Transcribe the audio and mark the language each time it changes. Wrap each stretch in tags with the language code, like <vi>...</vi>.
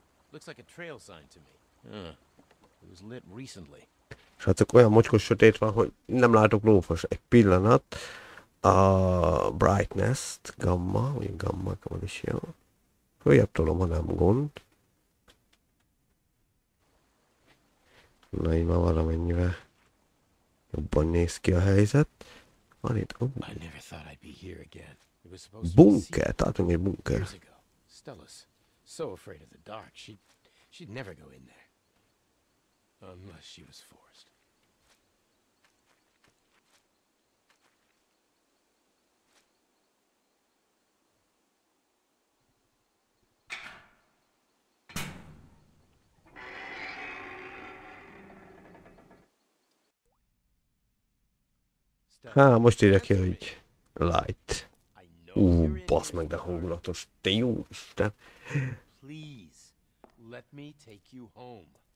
<en>Looks like a trail sign to me. It was lit recently.</en> <hu>Srácok, olyan mocskos sötét van, hogy nem látok lófos. Egy pillanat. A brightness, gamma, vagy gamma, gamma is jó. Följebb tolom, ha nem gond. Na, így már valamennyire jobban néz ki a helyzet. Van itt,</hu> <en>I never thought I'd be here again. It was supposed</en> <hu>bunker, tartunk egy bunker.</hu> <en>Stella's so afraid of the dark, she'd never go in there. Unless she was forced.</en> <hu>Há, most írja ki, hogy light. Ú, basz meg, de hangulatos. Te jó Isten.</hu> <en>Please, let me take you home.</en>